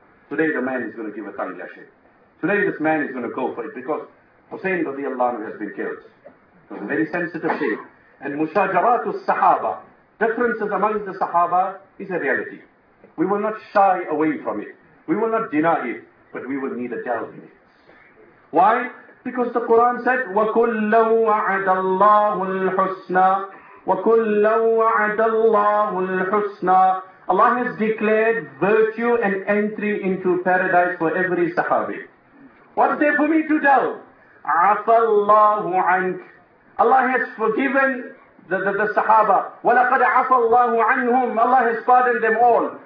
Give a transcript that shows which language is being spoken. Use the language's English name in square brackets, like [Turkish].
[English] Today the man is going to give a tongue lashing. Today this man is going to go for it, because Hussein radiallahu anhu has been killed. It was a very sensitive thing. And mushajaratu sahaba, differences among the sahaba, is a reality. We will not shy away from it. We will not deny it, but we will need a delve in it. Why? Because the Quran said, [Arabic] وَكُلَّا وَعَدَ اللَّهُ الْحُسْنَى وَكُلَّا وَعَدَ اللَّهُ الْحُسْنَى. [English] Allah has declared virtue and entry into paradise for every sahabi. What's there for me to delve? [Arabic] عَفَى اللَّهُ عَنْكَ. [English] Allah has forgiven the Sahaba. [Arabic] وَلَقَدْ عَفَى اللَّهُ عَنْهُمْ. [English] Allah has pardoned them all.